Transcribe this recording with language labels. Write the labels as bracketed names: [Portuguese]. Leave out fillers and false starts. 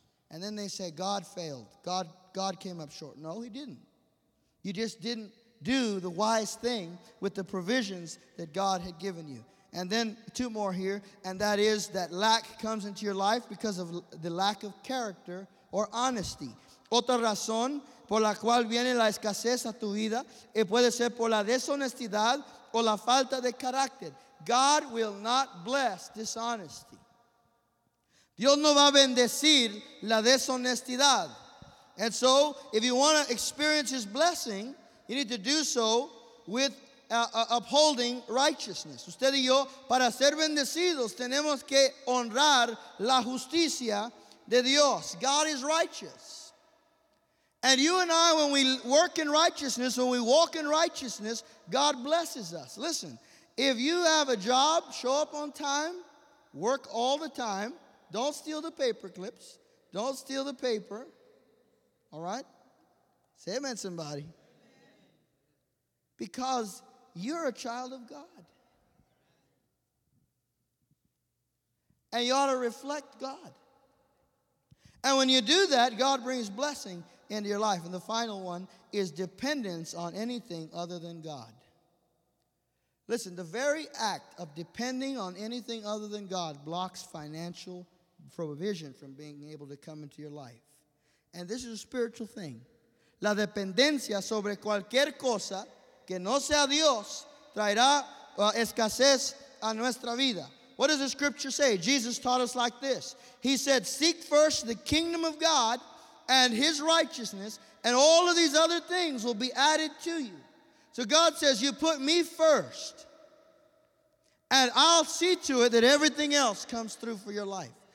[English] And then they say, God failed. God came up short. No, he didn't. You just didn't do the wise thing with the provisions that God had given you. And then two more here, and that is that lack comes into your life because of the lack of character or honesty. [Spanish] Otra razón por la cual viene la escasez a tu vida puede ser por la deshonestidad o la falta de carácter. [English] God will not bless dishonesty. [Spanish] Dios no va a bendecir la deshonestidad. [English] And so, if you want to experience his blessing, you need to do so with upholding righteousness. [Spanish] Usted y yo, para ser bendecidos, tenemos que honrar la justicia de Dios. [English] God is righteous. And you and I, when we work in righteousness, when we walk in righteousness, God blesses us. Listen, if you have a job, show up on time, work all the time, don't steal the paper clips, don't steal the paper, all right? Say amen, somebody. Because you're a child of God. And you ought to reflect God. And when you do that, God brings blessing into your life. And the final one is dependence on anything other than God. Listen, the very act of depending on anything other than God blocks financial provision from being able to come into your life. And this is a spiritual thing. [Spanish] La dependencia sobre cualquier cosa que no sea Dios traerá escasez a nuestra vida. [English] What does the scripture say? Jesus taught us like this. He said, seek first the kingdom of God and his righteousness, and all of these other things will be added to you. So God says, you put me first, and I'll see to it that everything else comes through for your life.